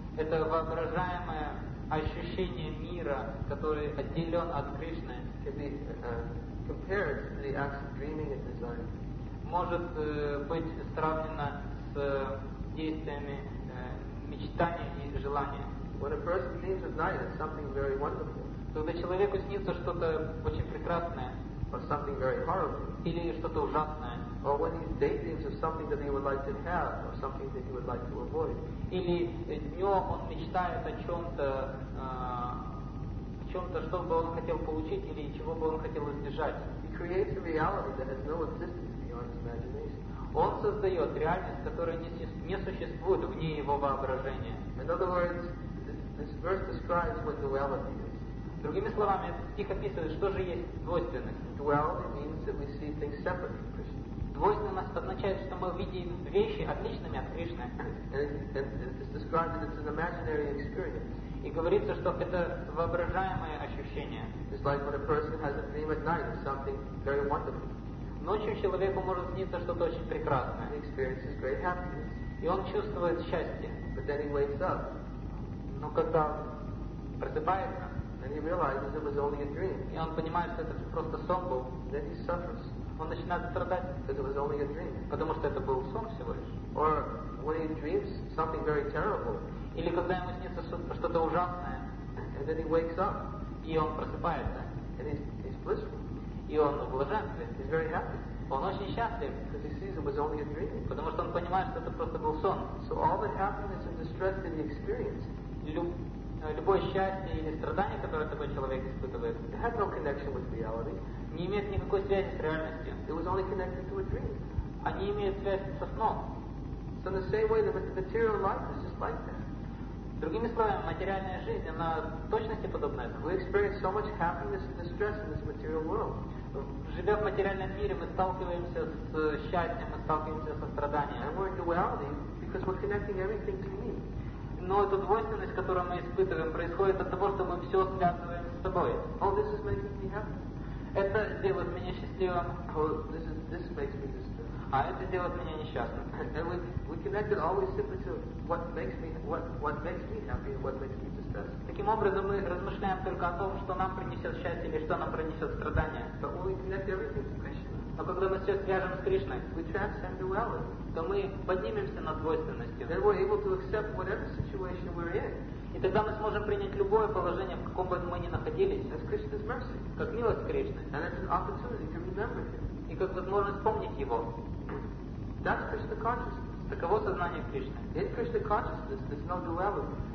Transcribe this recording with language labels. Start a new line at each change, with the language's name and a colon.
Russian: Это воображаемое ощущение мира, который отделен от Кришны,
English: can be compared to the acts of dreaming and desire.
Russian: Может быть сравнено с действиями мечтания и желания.
English: When a person dreams at night, it's something very wonderful.
Russian: Когда человеку снится что-то очень прекрасное,
English: or something very horrible,
Russian: или что-то ужасное,
English: or when he daydreams of something that he would like to have, or something that he would like to avoid,
Russian: или днем он мечтает о чем-то, что бы он хотел получить или чего бы он хотел избежать.
English: He creates a reality that has no existence beyond his imagination.
Russian: Он создает реальность, которая не существует вне его воображения.
English: In other words, this verse describes what duality is.
Russian: Другими словами, этот стих описывает, что же есть двойственность.
English: Duality means that we see things separate from Krishna.
Russian: Двойственность означает, что мы видим вещи отличными от Кришны.
English: And it's described that it's an imaginary experience.
Russian: И говорится, что это воображаемое ощущение.
English: It's like when a person has a dream at night of something very wonderful.
Russian: Ночью человеку может сниться что-то очень прекрасное.
English: He experiences great happiness.
Russian: И он чувствует счастье.
English: But then he wakes up.
Russian: Но когда просыпается,
English: and he realizes it was only a dream.
Russian: И он понимает, что это просто сон был.
English: Then he suffers.
Russian: Он начинает страдать.
English: Because it was only a dream.
Russian: Потому что это был сон всего лишь.
English: Or when he dreams something very terrible.
Russian: Или когда ему снится что-то ужасное.
English: And then he wakes up.
Russian: И он просыпается.
English: And he's blissful.
Russian: И он в блаженстве.
English: He's very happy.
Russian: Он очень счастлив.
English: Because he sees it was only a dream.
Russian: Потому что он понимает, что это просто был сон.
English: So all the happiness and distress that he experienced.
Russian: Любое счастье или страдание, которое такой человек испытывает,
English: it had no connection with reality.
Russian: Не имеет никакой связи с реальностью.
English: It was only connected to a dream.
Russian: Они имеют связь со сном.
English: So in the same way, the material life is just like that.
Russian: Другими словами, материальная жизнь, она в точности подобна этому.
English: We experience so much happiness and distress in this material world.
Russian: Живя в материальном мире, мы сталкиваемся с счастьем, мы сталкиваемся со страданием.
English: And we're in duality because we're connecting everything to me.
Russian: Но эта двойственность, которую мы испытываем, происходит от того, что мы все связываем с собой.
English: Oh, this is making me happy.
Russian: Это делает меня счастливым.
English: Oh, this makes me distressed.
Russian: А это делает меня несчастным.
English: And we connect it always simply to what makes me happy and what makes me distressed.
Russian: Таким образом, мы размышляем только о том, что нам принесет счастье или что нам принесет страдание.
English: But we connect everything to Krishna.
Russian: Но когда мы все свяжем с Кришной,
English: we transcend duality.
Russian: То мы поднимемся над двойственностью.
English: Then we're able to accept whatever situation we're in.
Russian: И тогда мы сможем принять любое положение, в каком бы мы ни находились,
English: as Krishna's mercy,
Russian: как милость Кришны.
English: And as an opportunity to remember him.
Russian: И как возможность помнить его.
English: That's Krishna consciousness.
Russian: Таково сознание Кришны.
English: In Krishna consciousness, there's no duality.